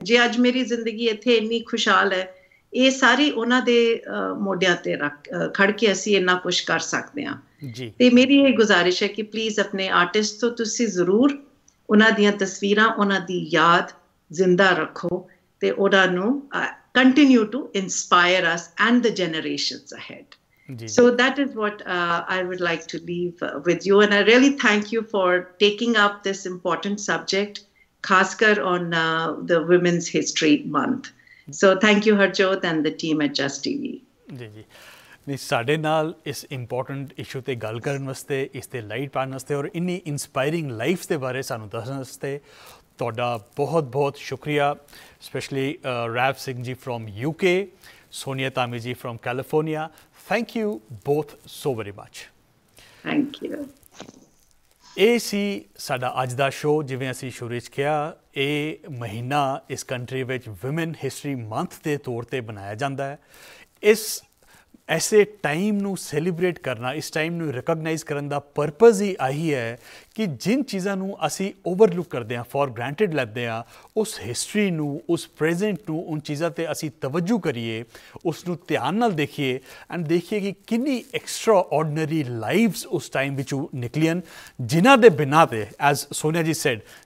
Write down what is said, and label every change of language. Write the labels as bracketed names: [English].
[Punjabi] ਜੇ ਅੱਜ ਮੇਰੀ ਜ਼ਿੰਦਗੀ ਇੱਥੇ ਇੰਨੀ ਖੁਸ਼ਹਾਲ ਹੈ, ਇਹ ਸਾਰੀ ਉਹਨਾਂ ਦੇ ਮੋਢਿਆਂ 'ਤੇ ਰੱਖ ਖੜ ਕੇ ਅਸੀਂ ਇੰਨਾ ਕੁਛ ਕਰ ਸਕਦੇ ਹਾਂ. ਅਤੇ ਮੇਰੀ ਇਹ ਗੁਜ਼ਾਰਿਸ਼ ਹੈ ਕਿ ਪਲੀਜ਼ ਆਪਣੇ ਆਰਟਿਸਟ ਤੋਂ ਤੁਸੀਂ ਜ਼ਰੂਰ ਉਹਨਾਂ ਦੀਆਂ ਤਸਵੀਰਾਂ, ਉਹਨਾਂ ਦੀ ਯਾਦ ਜ਼ਿੰਦਾ ਰੱਖੋ ਅਤੇ ਉਹਨਾਂ ਨੂੰ [English] Continue to inspire us and the generations ahead. So that is what I would like to leave with you. And I really thank you for taking up this important subject, khaskar on the Women's History Month. So thank you, Harjot, and the team at Just TV. [Punjabi] ਸਾਡੇ ਨਾਲ ਇਸ important issue 'ਤੇ ਗੱਲ ਕਰਨ ਵਾਸਤੇ, ਇਸ 'ਤੇ light ਪਾਉਣ ਵਾਸਤੇ ਔਰ ਇੰਨੀ ਇੰਸਪਾਇਰਿੰਗ ਲਾਈਫ ਦੇ ਬਾਰੇ ਸਾਨੂੰ ਦੱਸਣ ਵਾਸਤੇ ਤੁਹਾਡਾ ਬਹੁਤ ਬਹੁਤ ਸ਼ੁਕਰੀਆ. Specially ਰੈਵ Singh ji from UK, Sonia ਤਾਮੀ ਜੀ from California. [English] Thank you both so very much. Thank you. [Punjabi] ਇਹ ਸੀ ਸਾਡਾ ਅੱਜ ਦਾ ਸ਼ੋਅ. ਜਿਵੇਂ ਅਸੀਂ ਸ਼ੁਰੂ 'ਚ ਕਿਹਾ, ਇਹ ਮਹੀਨਾ ਇਸ ਕੰਟਰੀ ਵਿੱਚ ਵੁਮੈਨ ਹਿਸਟਰੀ ਮੰਥ ਦੇ ਤੌਰ 'ਤੇ ਬਣਾਇਆ ਜਾਂਦਾ ਹੈ. ਇਸ ਐਸੇ ਟਾਈਮ ਨੂੰ ਸੈਲੀਬ੍ਰੇਟ ਕਰਨਾ, ਇਸ ਟਾਈਮ ਨੂੰ ਰਿਕੋਗਨਾਈਜ਼ ਕਰਨ ਦਾ ਪਰਪਜ਼ ਹੀ ਆਹੀ ਹੈ ਕਿ ਜਿਨ ਚੀਜ਼ਾਂ ਨੂੰ ਅਸੀਂ ਓਵਰਲੁੱਕ ਕਰਦੇ ਹਾਂ, ਫੋਰ ਗ੍ਰਾਂਟਿਡ ਲੈਂਦੇ ਹਾਂ, ਉਸ ਹਿਸਟਰੀ ਨੂੰ, ਉਸ ਪ੍ਰੈਜ਼ੈਂਟ ਨੂੰ, ਉਨ ਚੀਜ਼ਾਂ 'ਤੇ ਅਸੀਂ ਤਵੱਜੂ ਕਰੀਏ, ਉਸ ਨੂੰ ਧਿਆਨ ਨਾਲ ਦੇਖੀਏ ਐਂਡ ਦੇਖੀਏ ਕਿ ਕਿੰਨੀ ਐਕਸਟਰਾ ਆਰਡਨਰੀ ਲਾਈਵਸ ਉਸ ਟਾਈਮ ਵਿੱਚੋਂ ਨਿਕਲੀਆਂ, ਜਿਨ੍ਹਾਂ ਦੇ ਬਿਨਾਂ 'ਤੇ, [English] as Sonia ji said,